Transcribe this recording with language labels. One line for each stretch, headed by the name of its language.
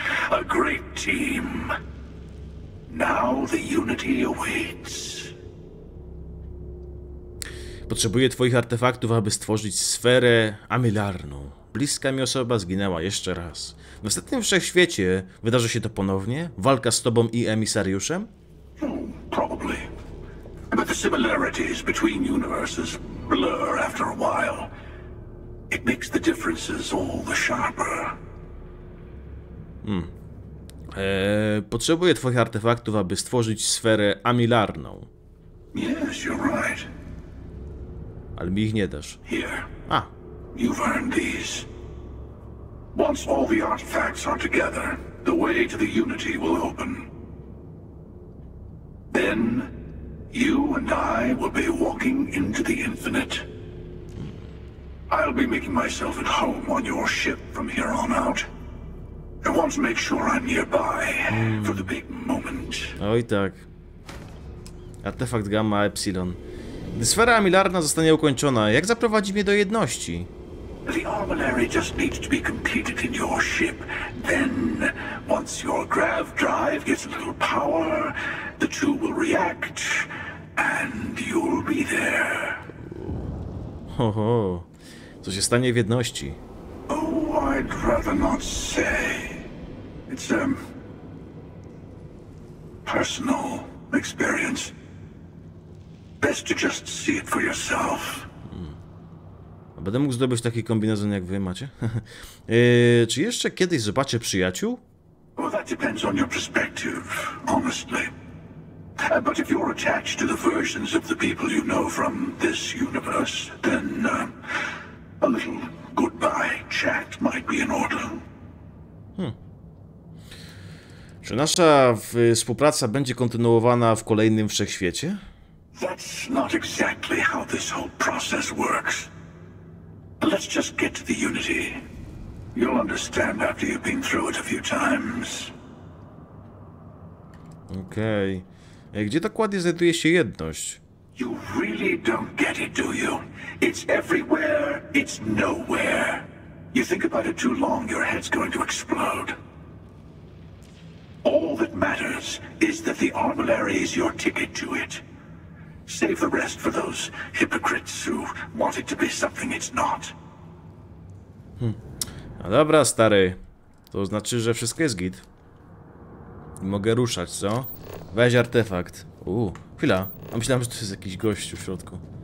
English: A great team. Now the unity awaits.
Polish: Potrzebuję twoich artefaktów, aby stworzyć sferę amilarną. Bliska mi osoba zginęła jeszcze raz. W następnym wszechświecie wydarzy się to ponownie? Walka z tobą i emisariuszem?
English: Probably. But the similarities between universes blur after a while. It makes the differences all the sharper.
Polish: Potrzebuję twoich artefaktów, aby stworzyć sferę amilarną.
English: Yes, you're right.
Polish: Ale mi ich nie dasz.
English: Here. A. You've earned these. Once all the artifacts are together, the way to the unity will open. Then, you and I will be walking into the infinite. I'll be making myself at home on your ship from here on out. I want to make sure I'm nearby for the big moment.
Polish: Oj tak. Artefakt Gamma Epsilon. Gdy sfera amilarna zostanie ukończona, jak zaprowadzi mnie do jedności?
English: The armillary just needs to be completed in your ship. Then, once your grav drive gets a little power, the two will react and you'll be there.
Polish: Ho ho. Co się stanie w jedności?
English: Oh, I'd I'd rather not say. It's a personal experience. Best to just see it for yourself.
Polish: Będę mógł zdobyć taki kombinezon, jak wy macie? czy jeszcze kiedyś zobaczę przyjaciół?
English: Well, that depends on your perspective, honestly. But if you're attached to the versions of the people you know from this universe, then a little goodbye chat might be in order.
Polish: Czy nasza współpraca będzie kontynuowana w kolejnym wszechświecie?
English: That's not exactly how this whole process works. Let's just get to the Unity. You'll understand after you've been through it a few times.
Polish: Okej. Okay. Gdzie dokładnie znajduje się jedność?
English: You really don't get it, do you? It's everywhere, it's nowhere. You think about it too long, your head's going to explode. All that matters is that the armillary is your ticket to it. Save the rest for those hypocrites who want it to be something it's not.
Polish: No dobra, stary. To znaczy, że wszystko jest git. Mogę ruszać, co? Weź artefakt. Chwila. A myślałem, że to jest jakiś gość w środku.